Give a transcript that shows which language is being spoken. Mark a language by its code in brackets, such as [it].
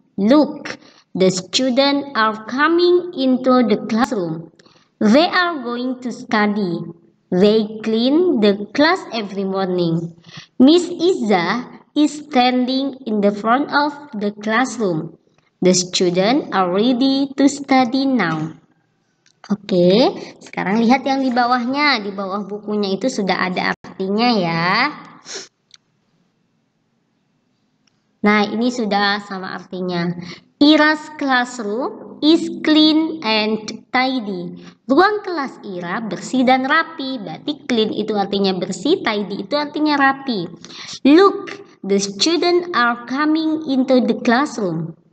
[en] Look, the students are coming into the classroom. They are going to study. They clean the class every morning. Miss Iza is standing in the front of the classroom. The students are ready to study now. [id] Oke, sekarang lihat yang di bawahnya. Di bawah bukunya itu sudah ada artinya ya. Nah, ini sudah sama artinya. [en] Ira's classroom is clean and tidy. [id] Ruang kelas Ira bersih dan rapi. Berarti clean itu artinya bersih, tidy itu artinya rapi. [en] Look, the students are coming into the classroom.